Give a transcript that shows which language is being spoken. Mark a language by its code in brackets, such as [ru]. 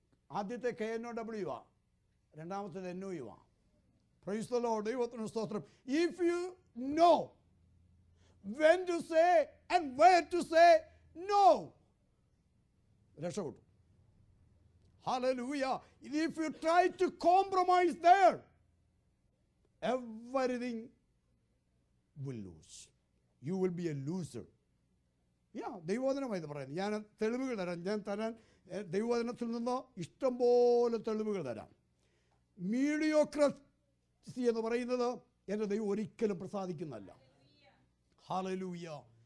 [ml] ആദ്യത്തെ K N O W ആ, രണ്ടാമത്തേത് എൻ ഒ യു ആ. [en] Praise the Lord. [ml] ദൈവത്തിന് സ്തോത്രം. [en] if you know when to say and where to say no, [ml] രക്ഷ കൂട്ടും. [en] Hallelujah. If you try to compromise there, everything will lose. You will be a loser. [ml] Yeah, ദൈവവചനമായി ഇത് പറയുന്നു. ഞാൻ തെളിവുകൾ തരാം, ഞാൻ തരാൻ ദൈവവചനത്തിൽ നിന്നോ ഇഷ്ടം പോലെ തെളിവുകൾ തരാം. മീഡിയോക്രസി എന്ന് പറയുന്നത് എൻ്റെ ദൈവം ഒരിക്കലും പ്രസാദിക്കുന്നതല്ല. Hallelujah.